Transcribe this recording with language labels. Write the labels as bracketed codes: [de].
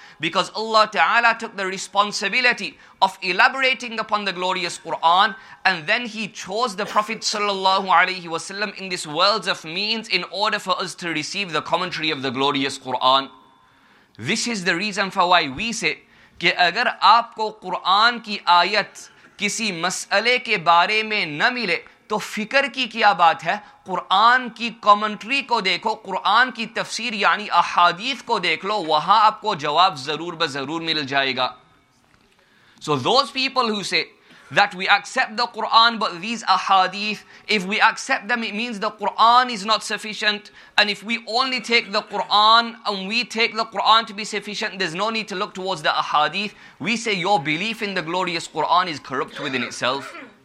[en] Because Allah Ta'ala took the responsibility of elaborating upon the glorious Quran, and then He chose the Prophet sallallahu alayhi wa sallam in this world of means in order for us to receive the commentary of the glorious Quran. This is the reason for why we say [ur] ke agar aapko Quran ki ayat kisi masale ke bare mein na mile تو فکر کی کیا بات ہے, قرآن کی commentary کو دیکھو, قرآن کی تفسیر یعنی احادیث کو دیکھ لو, وہاں آپ کو جواب ضرور بضرور مل جائے گا. [en] So those people who say that we accept the Quran but these احادیث, if we accept them it means the Quran is not sufficient, and if we only take the Quran and we take the Quran to be sufficient, there's no need to look towards the احادیث. We say your belief in the glorious Quran is corrupt within itself.